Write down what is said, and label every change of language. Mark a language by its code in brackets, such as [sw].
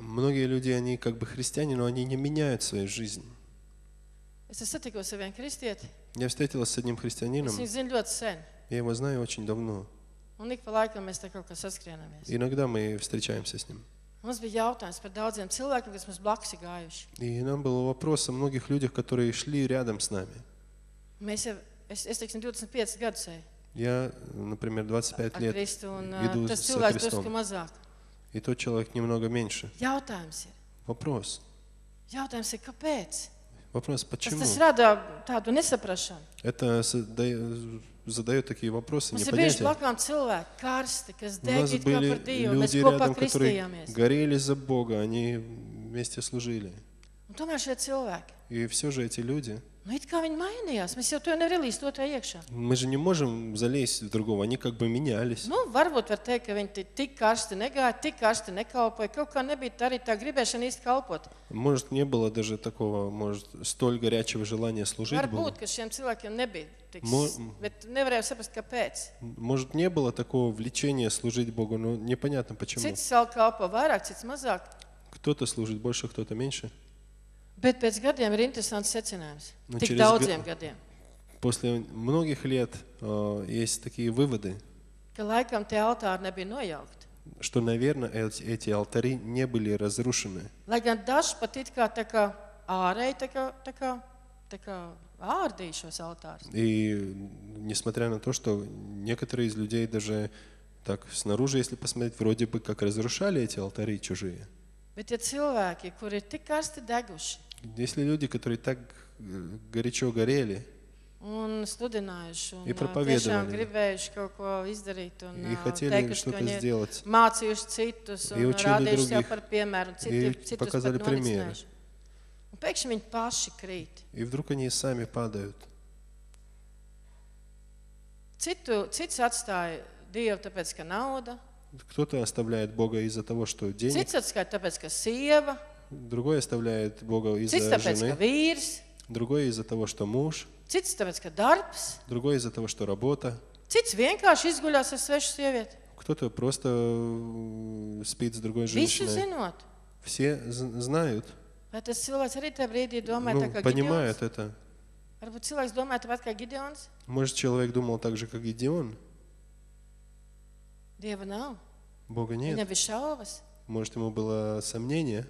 [ru] Многие люди, они как бы христиане, но они не меняют свою жизнь. [lv] Es satikos ar vienu kristieti. [ru] Я встретилась с одним христианином. [lv] Es viņu zinu ļoti sen. [ru] Я его знаю очень давно. [lv] Un ik pa laikam mēs tā kaut kā saskrienamies. [ru] Иногда мы встречаемся с ним. [lv] Mums bija jautājums par daudziem cilvēkiem, kas mums blakus ir gājuši. [ru] И нам был вопрос о многих людях, которые шли рядом с нами. [lv] Mēs jau Es teiksim, 25 gadus eju. [ru] Я, например, 25 лет [lv] Kristu, un, [ru] иду со Христом. И тот человек немного меньше. [lv] Jautājums ir. [ru] Вопрос. [lv] Jautājums ir, kāpēc? [ru] Вопрос, почему? [lv] Tas rada tādu nesaprašanu. [ru] Это задает такие вопросы, [lv] Mums [ru] непонятия. [lv] Ir bieži blakām cilvēki, karsti, kas degīt kā par Dievu, mēs kopā [ru] рядом, [lv] kristījāmies. [ru] Горели за Бога, они вместе служили. [lv] Un tomēr šie cilvēki. [ru] И все же эти люди. Ну, [lv] it kā viņi mainījās, mēs jau to nerelīst otrā iekšā. [ru] Мы же не можем залезть в другого, они как бы менялись. Ну, [lv] varbūt var teikt, ka viņi tik karsti negāja, tik karsti nekalpoja, kaut kā nebija arī tā gribēšana īsti kalpot. [ru] Может, не было даже такого, может, столь горячего желания служить [lv] Varbūt, было. Varbūt, ka šiem cilvēkiem nebija tik, bet nevarēju saprast, kāpēc. [ru] Может, не было такого влечения служить Богу, но непонятно почему. [lv] Cits sal kalpo vairāk, cits mazāk. [ru] Кто-то служит больше, кто-то меньше. [lv] Bet pēc gadiem ir interesants secinājums. Nu, tik daudziem gadiem. [ru] После многих лет есть такие выводы. [lv] Ka laikam tie altāri nebija nojaukti. [ru] Что, наверное, эти алтари не были разрушены. [lv] Lai gan dažs pat it kā tā kā ārēji, tā kā ārdīja šos altārus. [ru] И несмотря на то, что некоторые из людей даже так снаружи, если посмотреть, вроде бы как разрушали эти алтари чужие. [lv] Bet tie cilvēki, kuri ir tik karsti deguši. [ru] Если люди, которые так горячо горели. [lv] Un studinājuši un ja tiešām mani. Gribējuši kaut ko izdarīt un teikuši, ka viņi ir mācījuši citus un rādījuši jau par piemēru un citus pat norisinājuši. Un pēkšņi viņi paši krīt. [ru] И вдруг они сами падают. [lv] Cits atstāja Dievu tāpēc, ka nauda. [ru] Кто-то оставляет Бога из-за того, что денег. [lv] Cits atstāja tāpēc, ka sieva. [ru] Другой оставляет Бога из-за жены. [lv] Cits tāpēc, ka vīrs. [ru] Другой из-за того, что муж. [lv] Cits tāpēc, ka darbs. [ru] Другой из-за того, что работа. [lv] Cits vienkārši izguļās ar svešu sievieti. [ru] Кто-то просто спит с другой женщиной. [lv] Visi zinot. [ru] Все знают. [lv] Vai tas cilvēks arī tajā brīdī domāja tā kā Gideons? [ru] Понимает это. [lv] Varbūt cilvēks domāja tāpat kā Gideons? [ru] Может, человек думал так же, как Гидеон? [lv] Dieva nav. [ru] Бога нет. [lv] Viņam bija šaubas. [ru] Может, ему было сомнение?